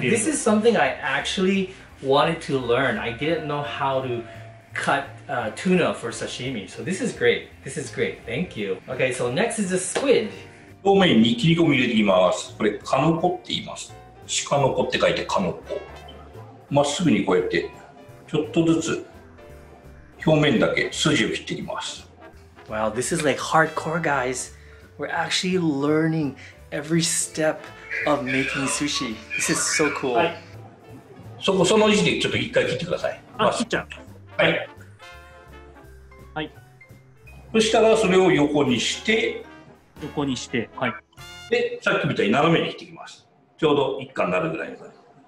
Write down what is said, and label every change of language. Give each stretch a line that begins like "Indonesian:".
English: This is something I actually wanted to learn. I didn't know how to cut tuna for sashimi. So this is great. This is great. Thank you. Okay, so next is a squid.
Japanese: 表面に切り込み入れていきます。これ、カノコって言います。シカノコって書いてカノコ。まっすぐにこうやって、ちょっとずつ表面だけ筋を切っていきます。
English: Wow, this is like hardcore, guys. We're actually learning every step of making sushi. This is so cool. はい。
Japanese: その位置でちょっと一回切ってください。あ、切っちゃう。はい。はい。そしたらそれを横にして。横にして。はい。で、さっきみたいに斜めに切っていきます。ちょうど一貫になるぐらいの感じ。